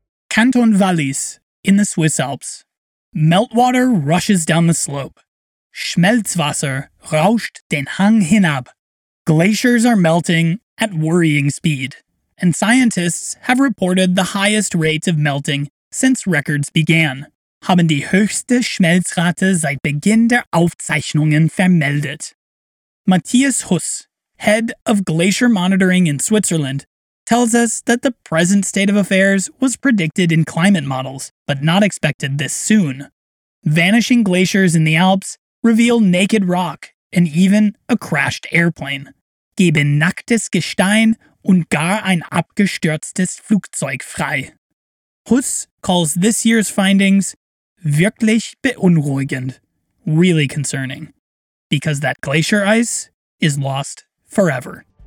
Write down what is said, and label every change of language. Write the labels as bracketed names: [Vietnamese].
[English] Canton Wallis, in the Swiss Alps. Meltwater rushes down the slope. [German] Schmelzwasser rauscht den Hang hinab. [English] Glaciers are melting at worrying speed, and scientists have reported the highest rate of melting since records began. [German] Haben die höchste Schmelzrate seit Beginn der Aufzeichnungen vermeldet. [English] Matthias Huss, head of glacier monitoring in Switzerland, tells us that the present state of affairs was predicted in climate models, but not expected this soon. Vanishing glaciers in the Alps reveal naked rock and even a crashed airplane. [German] Geben nacktes Gestein und gar ein abgestürztes Flugzeug frei. [English] Huss calls this year's findings [German] wirklich beunruhigend, [English] really concerning, because that glacier ice is lost forever.